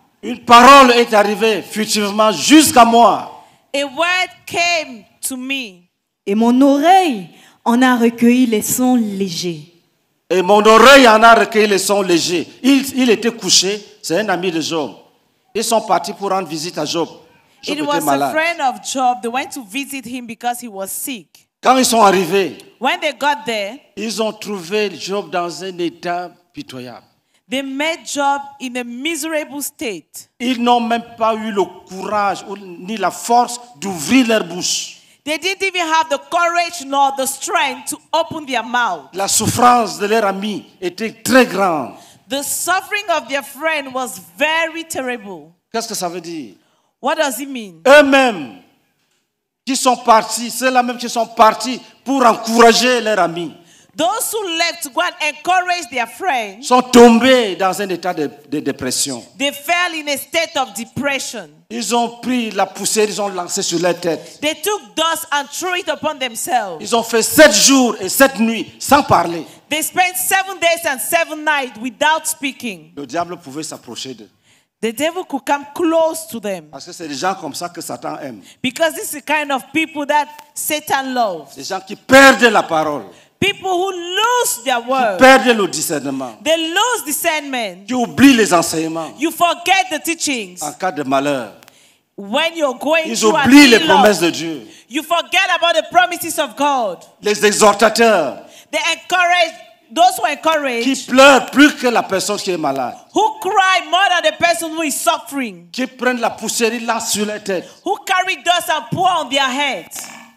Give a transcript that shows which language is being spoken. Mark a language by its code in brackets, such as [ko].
[fr] Une parole est arrivée furtivement jusqu'à moi. [en] A word came to me. [fr] Et mon oreille en a recueilli les sons légers. Et mon oreille en a recueilli les sons légers. Il était couché, c'est un ami de Job. Ils sont partis pour rendre visite à Job. [en] It was a friend of Job. They went to visit him because he was sick. [fr] Quand ils sont arrivés, [en] when they got there, [fr] ils ont trouvé Job dans un état pitoyable. [en] They met Job in a miserable state. [fr] Ils n'ont même pas eu le courage ni la force d'ouvrir leur bouche. [en] They didn't even have the courage nor the strength to open their mouth. [fr] La souffrance de leur ami était très grande. [en] The suffering of their friend was very terrible. [fr] Qu'est-ce que ça veut dire? [en] What does it mean? [fr] Eux-mêmes qui sont partis, ceux-là même qui sont partis pour encourager leur ami. [en] Those who left to go and encourage their friends [fr] sont tombés dans un état de dépression. [en] They fell in a state of depression. [fr] Ils ont pris la poussière, ils ont lancé sur leur tête. [en] They took dust and threw it upon themselves. [fr] Ils ont fait 7 jours et 7 nuits sans parler. [en] They spent 7 days and 7 nights without speaking. [fr] Le diable pouvait s'approcher d'eux. [en] The devil could come close to them. [fr] Parce que c'est des gens comme ça que Satan aime. [en] Because this is the kind of people that Satan loves. [fr] Des gens qui perdent la parole. [en] People who lose their word. [fr] Qui perdent le discernement. [en] They lose discernment. [fr] Qui oublient les enseignements. [en] You forget the teachings. [fr] En cas de malheur. [en] When you're going [fr] ils oublient les promesses de Dieu. [en] You forget about the promises of God. [fr] Les exhortateurs. [en] They encourage those who encourage. [fr] Qui pleurent plus que la personne qui est malade. [en] Who cry more than the person who is suffering. [fr] Qui prennent la poussière et lancent sur leur tête. [en] Who carry dust and pour on their heads.